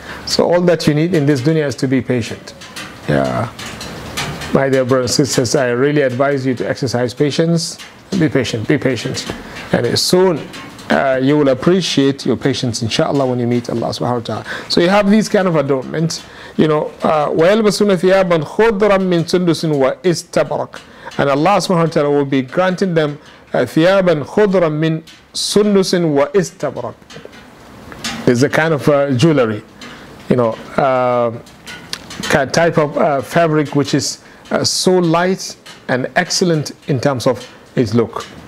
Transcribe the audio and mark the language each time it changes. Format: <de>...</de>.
<en>So all that you need in this dunya is to be patient. Yeah. My dear brothers and sisters, I really advise you to exercise patience. Be patient. And soon you will appreciate your patience, inshallah, when you meet Allah subhanahu wa ta'ala. So you have these kind of adornments. You know,</en> <ar>وَيَلْبَسُونَ ثِيَابًا خُضْرًا مِّن سُنْدُسٍ وَإِسْتَبْرَقٍ.</ar> <en>And Allah subhanahu wa ta'ala will be granting them</en> <ar>ثِيَابًا خُضْرًا مِّن سُنْدُسٍ وَإِسْتَبْرَقٍ.</ar> <en>It's a kind of jewelry, you know, kind of type of fabric which is so light and excellent in terms of its look.</en>